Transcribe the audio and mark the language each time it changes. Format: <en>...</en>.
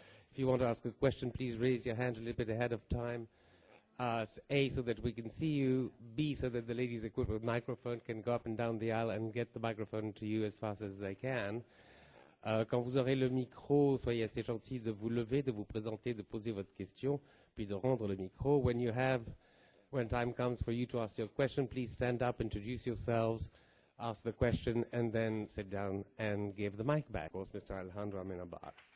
<en>If you want to ask a question, please raise your hand a little bit ahead of time. A, so that we can see you. B, so that the ladies equipped with microphone can go up and down the aisle and get the microphone to you as fast as they can.</en> <fr>Quand vous aurez le micro, soyez assez gentil de vous lever, de vous présenter, de poser votre question, puis de rendre le micro.</fr> <en>When time comes for you to ask your question, please stand up, introduce yourselves, ask the question, and then sit down and give the mic back. Of course, Mr. Alejandro Amenábar.</en>